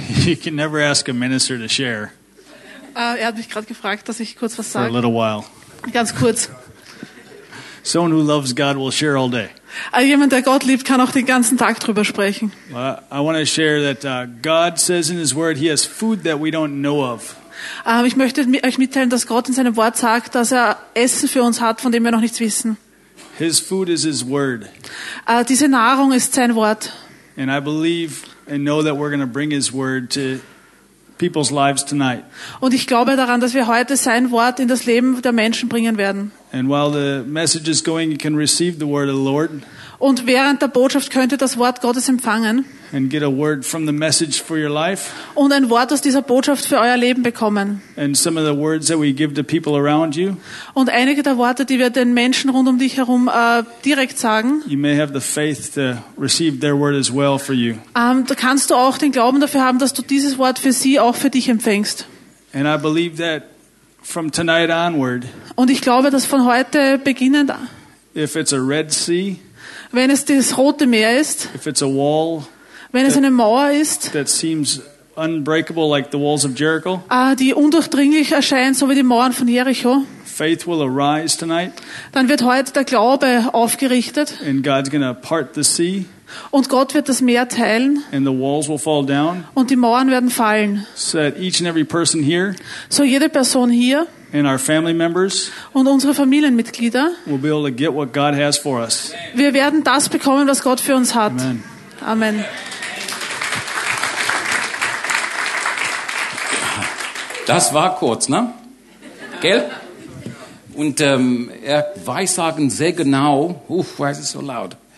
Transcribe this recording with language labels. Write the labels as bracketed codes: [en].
[en] You can never ask a minister to share. [de] Hat mich gerade gefragt, dass ich kurz was sage. [en] For a little while. [de] Ganz kurz. [en] Someone who loves God will share all day. [de] Jemand, der Gott liebt, kann auch den ganzen Tag drüber sprechen. [en] I want to share that God says in His Word, He has food that we don't know of. [de] Ich möchte euch mitteilen, dass Gott in seinem Wort sagt, dass er Essen für uns hat, von dem wir noch nichts wissen. [en] His food is His Word. [de] Diese Nahrung ist sein Wort. [en] And I believe and know that we're going to bring His Word to people's lives tonight. [de] Und ich glaube daran, dass wir heute sein Wort in das Leben der Menschen bringen werden. [en] And while the message is going, you can receive the Word of the Lord. [de] Und während der Botschaft könnt ihr das Wort Gottes empfangen. [en] And get a word from the message for your life. [de] Und ein Wort aus dieser Botschaft für euer Leben bekommen. [en] And some of the words that we give to people around you. [de] Und einige der Worte, die wir den Menschen rund um dich herum direkt sagen. [en] You may have the faith to receive their word as well for you. [de] Da kannst du auch den Glauben dafür haben, dass du dieses Wort für sie auch für dich empfängst. [en] And I believe that from tonight onward. [de] Und ich glaube, dass von heute beginnend. [en] If it's a Red Sea. [de] Wenn es das Rote Meer ist. [en] If it's a wall. [de] Wenn es eine Mauer ist, [en] that seems unbreakable, like the walls of Jericho, [de] die undurchdringlich erscheint, so wie die Mauern von Jericho, [en] faith will arise tonight. [de] Dann wird heute der Glaube aufgerichtet. [en] And God's gonna part the sea. [de] Und Gott wird das Meer teilen. [en] And the walls will fall down. [de] Und die Mauern werden fallen. [en] So that each and every person here. [de] So jede Person hier. [en] And our family members. [de] Und unsere Familienmitglieder. [en] Will be able to get what God has for us. [de] Wir werden das bekommen, was Gott für uns hat. Amen. Amen. Das war kurz, ne? Gell? Und er weiß sagen sehr genau. [en] Why is it so loud?